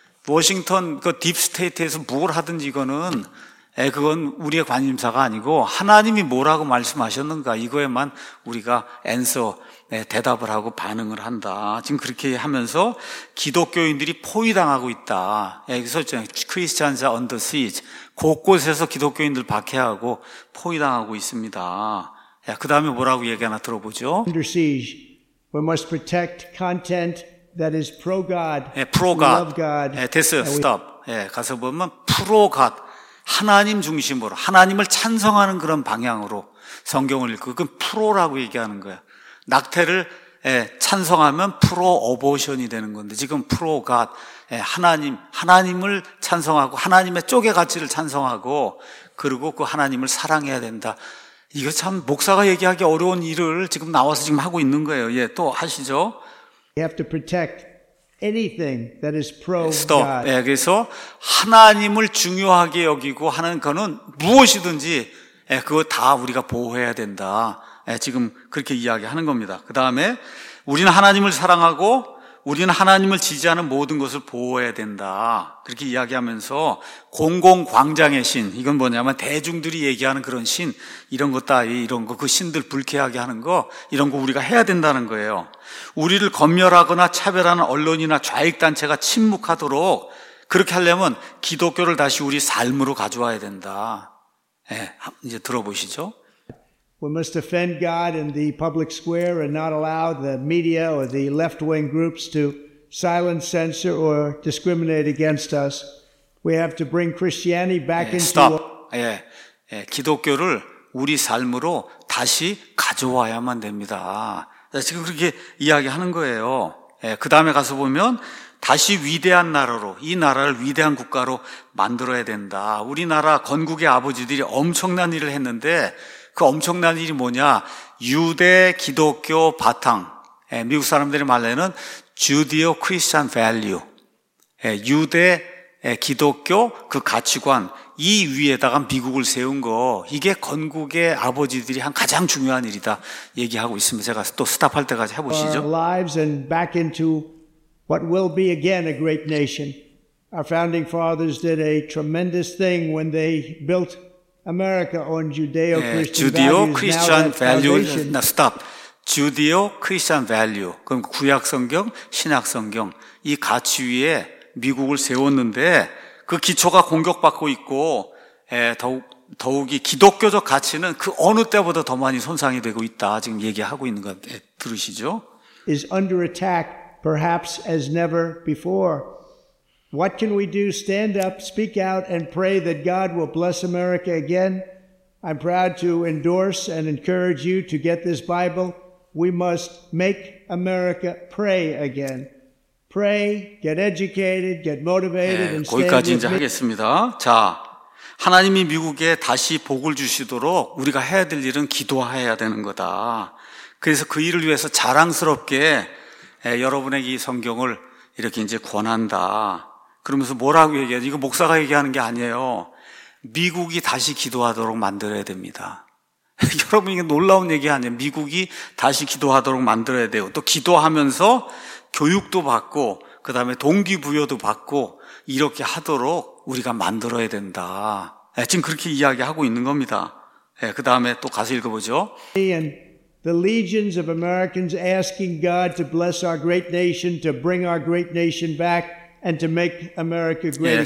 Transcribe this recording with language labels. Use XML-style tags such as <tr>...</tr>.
<ko>워싱턴 그 딥스테이트에서 뭘 하든지 이거는 그건 우리의 관심사가 아니고 하나님이 뭐라고 말씀하셨는가 이거에만 우리가 answer 대답을 하고 반응을 한다. 지금 그렇게 하면서 기독교인들이 포위당하고 있다.</ko> <en>여기서 Christians are under siege.</en> <ko>곳곳에서 기독교인들 박해하고 포위당하고 있습니다. 그 다음에 뭐라고 얘기하나 들어보죠.</ko> <en>Under siege. We must protect content that is pro-God. Pro-God. Love God. Stop.</en> <ko>가서 보면 pro-God. 하나님 중심으로 하나님을 찬성하는 그런 방향으로 성경을 읽고 그건 프로라고 얘기하는 거야. 낙태를 찬성하면 프로 어보션이 되는 건데 지금 프로 갓 하나님을 찬성하고 하나님의 쪽의 가치를 찬성하고 그리고 그 하나님을 사랑해야 된다. 이거 참 목사가 얘기하기 어려운 일을 지금 나와서 지금 하고 있는 거예요. 예, 또 하시죠.</ko> <en>You have to protect anything that is pro God.</en> <ko>그래서 하나님을 중요하게 여기고 하는 거는 무엇이든지 그거 다 우리가 보호해야 된다. 지금 그렇게 이야기하는 겁니다. 그 다음에 우리는 하나님을 사랑하고 우리는 하나님을 지지하는 모든 것을 보호해야 된다. 그렇게 이야기하면서 공공광장의 신, 이건 뭐냐면 대중들이 얘기하는 그런 신, 이런 것 따위, 이런 거, 그 신들 불쾌하게 하는 거, 이런 거 우리가 해야 된다는 거예요. 우리를 검열하거나 차별하는 언론이나 좌익단체가 침묵하도록 그렇게 하려면 기독교를 다시 우리 삶으로 가져와야 된다. 이제 들어보시죠.</ko> <en>We must defend God in the public square and not allow the media or the left-wing groups to silence, censor, or discriminate against us. We have to bring Christianity back into our...</en> <ko>기독교를 우리 삶으로 다시 가져와야만 됩니다. 지금 그렇게 이야기하는 거예요. 그 다음에 가서 보면 다시 위대한 나라로 이 나라를 위대한 국가로 만들어야 된다. 우리나라 건국의 아버지들이 엄청난 일을 했는데 그 엄청난 일이 뭐냐? 유대 기독교 바탕. 미국 사람들이 말하는</ko> <en>Judeo Christian value.</en> <ko>유대 기독교 그 가치관 이 위에다가 미국을 세운 거. 이게 건국의 아버지들이 한 가장 중요한 일이다 얘기하고 있습니다. 제가 또 스탑할 때까지 해 보시죠.</ko> <en>Lives and back into what will be again a great nation. Our founding fathers did a tremendous thing when they built America on Judeo-Christian values. Now stop. Judeo-Christian value.</en> <ko>그럼 구약 성경, 신약 성경 이 가치 위에 미국을 세웠는데 그 기초가 공격받고 있고 더욱이 기독교적 가치는 그 어느 때보다 더 많이 손상이 되고 있다. 지금 얘기하고 있는 것 들으시죠?</ko> <en>Is under attack perhaps as never before. What can we do? Stand up, speak out, and pray that God will bless America again. I'm proud to endorse and encourage you to get this Bible. We must make America pray again. Pray, get educated, get motivated, and stand with me.</en> <ko>거기까지 이제 하겠습니다. 자, 하나님이 미국에 다시 복을 주시도록 우리가 해야 될 일은 기도해야 되는 거다. 그래서 그 일을 위해서 자랑스럽게 여러분에게 이 성경을 이렇게 이제 권한다. 그러면서 뭐라고 얘기하지? 이거 목사가 얘기하는 게 아니에요. 미국이 다시 기도하도록 만들어야 됩니다. 여러분 이게 놀라운 얘기 아니에요. 미국이 다시 기도하도록 만들어야 돼요. 또 기도하면서 교육도 받고 그다음에 동기부여도 받고 이렇게 하도록 우리가 만들어야 된다. 지금 그렇게 이야기하고 있는 겁니다. 그다음에 또 가서 읽어보죠.</ko> <en>The legions of Americans asking God to bless our great nation, to bring our great nation back. And to make America great again.</en>